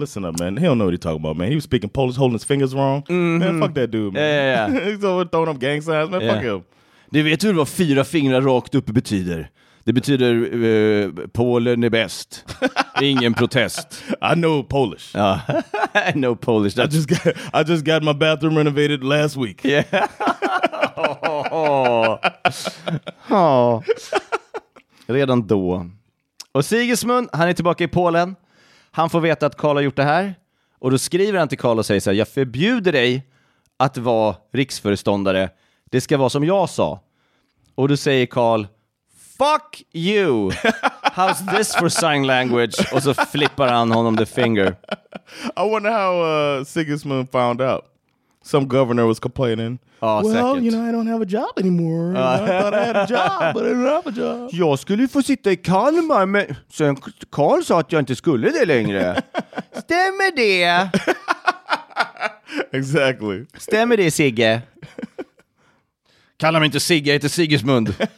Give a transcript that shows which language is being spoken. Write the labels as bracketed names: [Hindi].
[English] Listen up, man. He don't know what he's talking about, man. He was speaking Polish, holding his fingers wrong. Mm-hmm. Man, fuck that dude, man. Yeah. He's over throwing up gang signs, man. Yeah. Fuck him. [Swedish] Ni vet hur vad fyra fingrar rakt upp betyder. Det betyder Polen är bäst. Ingen protest. [English] I know Polish. I know Polish. I just got my bathroom renovated last week. [Swedish] Yeah. Oh. Redan då. Och Sigismund, han är tillbaka i Polen. Han får veta att Karl har gjort det här. Och då skriver han till Karl och säger så här: jag förbjuder dig att vara riksföreståndare. Det ska vara som jag sa. Och då säger Karl, [English] fuck you! How's this for sign language? [Swedish] Och så flippar han honom [English] the finger. I wonder how Sigismund found out. Some governor was complaining. Oh, well, second. You know, I don't have a job anymore. I thought I had a job, but I don't have a job. [Swedish] Jag skulle få sitta i Kalmar, men sen Karl sa att jag inte skulle det längre. Stämmer det? [English] Exactly. [Swedish] Stämmer det, Sigge? Kalla mig inte Sigge, jag heter Sigismund.